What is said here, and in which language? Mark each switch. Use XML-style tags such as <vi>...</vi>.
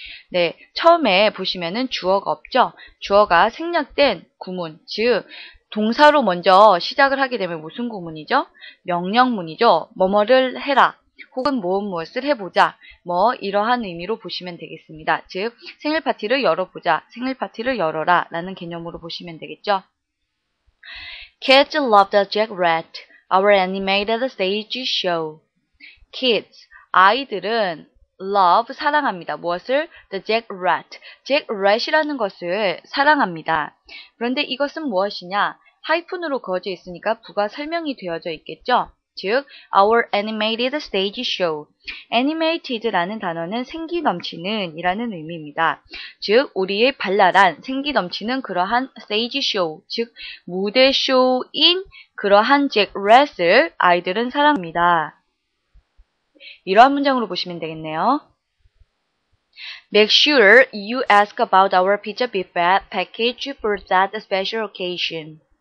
<ko>네, 처음에 보시면은 주어가 없죠. 주어가 생략된 구문, 즉 동사로 먼저 시작을 하게 되면 무슨 구문이죠? 명령문이죠. 뭐뭐를 해라 혹은 무엇무엇을 해보자 뭐 이러한 의미로 보시면 되겠습니다. 즉 생일파티를 열어보자, 생일파티를 열어라 라는 개념으로 보시면 되겠죠.</ko> <en>Kids love the Jack Rat, our animated stage show.</en> <ko>Kids, 아이들은 love, 사랑합니다. 무엇을? The Jack Rat. Jack Rat이라는 것을 사랑합니다. 그런데 이것은 무엇이냐? 하이픈으로 그어져 있으니까 부가 설명이 되어져 있겠죠? 즉,</ko> <en>our animated stage show.</en> <ko>animated라는 단어는 생기 넘치는 이라는 의미입니다. 즉, 우리의 발랄한 생기 넘치는 그러한 stage show, 즉, 무대 쇼인 그러한 Jack Rat을 아이들은 사랑합니다. 이러한 문장으로 보시면 되겠네요.</ko> <en>Make sure you ask about our pizza buffet package for that special occasion.</en>